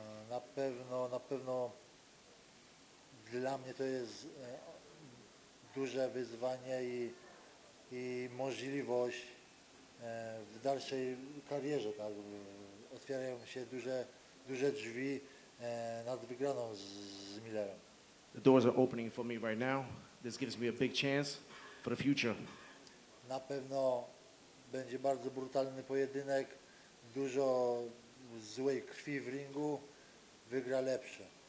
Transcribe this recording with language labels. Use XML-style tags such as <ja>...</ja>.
<pl>Na pewno dla mnie to jest duże wyzwanie i możliwość w dalszej karierze, tak? Otwierają się duże drzwi nad wygraną z Millerem.</pl> <en>The doors are opening for me right now. This gives me a big chance for the future.</en> <pl>Na pewno będzie bardzo brutalny pojedynek, dużo złej krwi w ringu, wygra lepsze.</pl>